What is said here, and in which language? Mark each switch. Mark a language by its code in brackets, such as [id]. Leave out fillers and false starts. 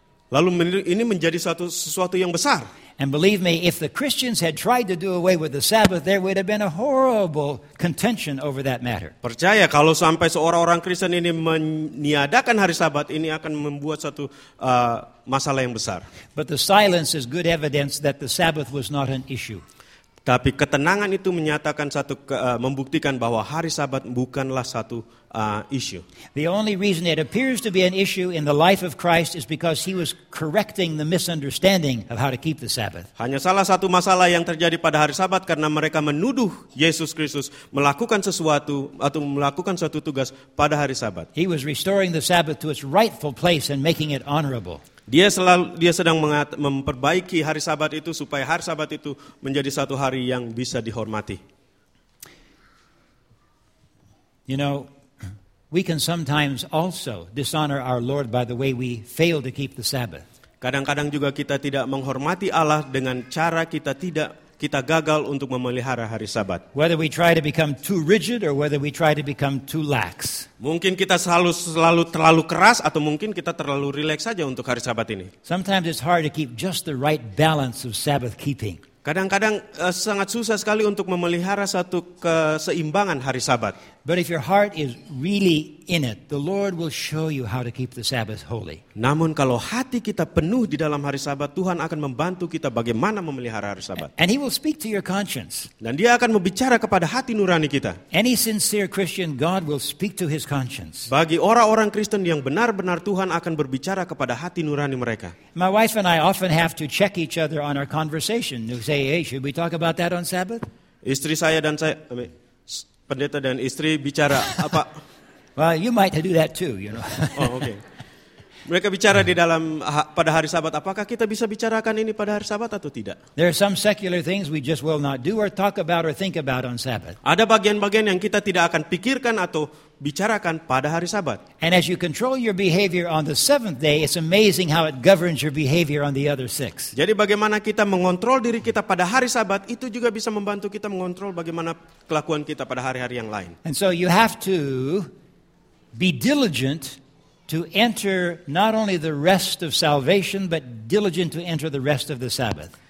[id] Lalu ini menjadi sesuatu yang besar. [en] And believe me, if the Christians had tried to do away with the Sabbath, there would have been a horrible contention over that matter. [id] Percaya kalau sampai seorang-orang Kristen ini meniadakan hari Sabat, ini akan membuat satu masalah yang besar. [en] But the silence is good evidence that the Sabbath was not an issue. [id] Tapi ketenangan itu menyatakan membuktikan bahwa hari Sabat bukanlah satu issue. [en] The only reason it appears to be an issue in the life of Christ is because he was correcting the misunderstanding of how to keep the Sabbath. [id] Hanya salah satu masalah yang terjadi pada hari Sabat karena mereka menuduh Yesus Kristus melakukan sesuatu atau melakukan suatu tugas pada hari Sabat. [en] He was restoring the Sabbath to its rightful place and making it honorable. [id] Dia sedang memperbaiki hari Sabat itu supaya hari Sabat itu menjadi satu hari yang bisa dihormati. [en] You know, we can sometimes also dishonor our Lord by the way we fail to keep the Sabbath. [id] Kadang-kadang juga kita tidak menghormati Allah dengan cara kita gagal untuk memelihara hari Sabat. [en] Whether we try to become too rigid or whether we try to become too lax. [id] Mungkin kita selalu terlalu keras atau mungkin kita terlalu rileks saja untuk hari Sabat ini. [en] Sometimes it's hard to keep just the right balance of Sabbath keeping. [id] Kadang-kadang sangat susah sekali untuk memelihara satu keseimbangan hari Sabat. [en] But if your heart is really in it, the Lord will show you how to keep the Sabbath holy. [id] Namun kalau hati kita penuh di dalam hari Sabat, Tuhan akan membantu kita bagaimana memelihara hari Sabat. [en] And he will speak to your conscience. [id] Dan dia akan berbicara kepada hati nurani kita. [en] Any sincere Christian, God will speak to his conscience. [id] Bagi orang-orang Kristen yang benar-benar, Tuhan akan berbicara kepada hati nurani mereka. [en] My wife and I often have to check each other on our conversation. We say, hey, should we talk about that on Sabbath? [id] Istri saya dan saya, pendeta dan istri bicara apa? [en] Well, you might do that too, you know. Oh, okay. [id] Mereka bicara di dalam pada hari Sabat. Apakah kita bisa bicarakan ini pada hari Sabat atau tidak? [en] There are some secular things we just will not do or talk about or think about on Sabbath. [id] Ada bagian-bagian yang kita tidak akan pikirkan atau bicarakan pada hari Sabat. [en] And as you control your behavior on the seventh day, it's amazing how it governs your behavior on the other six. [id] Jadi bagaimana kita mengontrol diri kita pada hari Sabat itu juga bisa membantu kita mengontrol bagaimana kelakuan kita pada hari-hari yang lain. [en] And so you have to be diligent to enter not only the rest of salvation, but diligent to enter the rest of the Sabbath.